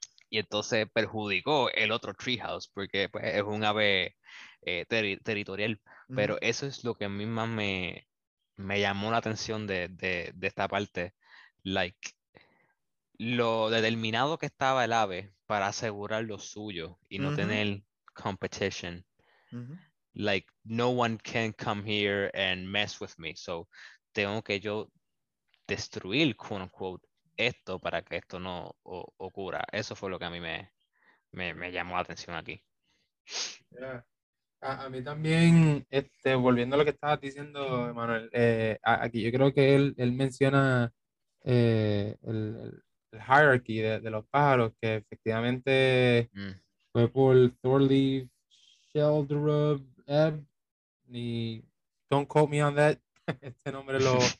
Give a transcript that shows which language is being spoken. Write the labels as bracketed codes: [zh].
[es] Y entonces perjudicó el otro treehouse porque pues, es un ave territorial. Pero eso es lo que a mí más me llamó la atención de esta parte. Like, lo determinado que estaba el ave para asegurar lo suyo y no tener competition. [en] Like, no one can come here and mess with me. [es] So, tengo que yo destruir, quote unquote, esto para que esto no ocurra. Eso fue lo que a mí me llamó la atención aquí. A mí también, volviendo a lo que estabas diciendo, Emanuel, aquí yo creo que él menciona el hierarchy de los pájaros, que efectivamente fue por Thorleif Sheldrup, ni [en] Don't quote me on that. [es] Este nombre lo